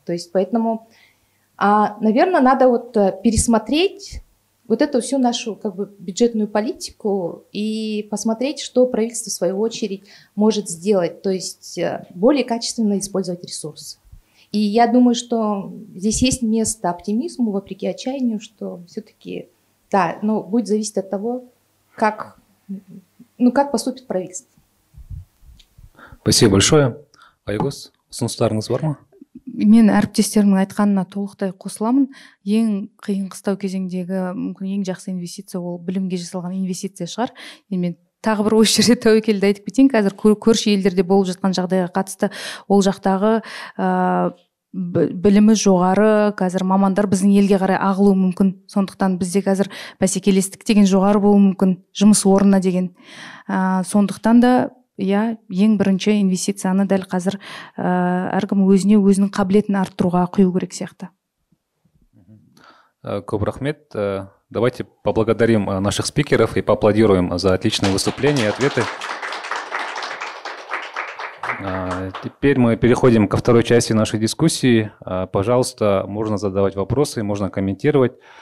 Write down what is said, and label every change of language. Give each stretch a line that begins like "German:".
Russian: То есть поэтому, наверное, надо вот пересмотреть вот эту всю нашу как бы бюджетную политику и посмотреть, что правительство, в свою очередь, может сделать, то есть более качественно использовать ресурсы. И я думаю, что здесь есть место оптимизму, вопреки отчаянию, что все-таки, да, но будет зависеть от того, как поступит правительство. Спасибо большое.
Kazakh: Айгос, ұсыныстарыңыз бар ма? Мен әріптестерімнің айтқанына толықтай қосыламын. Ең қиын қыстау кезеңдегі мүмкін ең жақсы инвестиция ол білімге жасалған инвестиция шығар. Мен тағы бір осы жерде тәуекелді айтып кетейін. Қазір көрші елдерде болып жатқан жағдайға қатысты ол жақтағы білімі жоғары, қазір мамандар біздің елге қарай ағылуы мүмкін. Сондықтан бізде қазір бәсекелестік деген жоғары болуы мүмкін, жұмыс орнына деген. Сондықтан да ең бірінші инвестицияны дәл қазір әркім өзіне өзінің қабілетін арттыруға құю керек сияқты. Көп рахмет.
Russian: Давайте поблагодарим наших спикеров и поаплодируем за отличные выступления и ответы. Теперь мы переходим ко второй части нашей дискуссии. Пожалуйста, можно задавать вопросы, можно комментировать.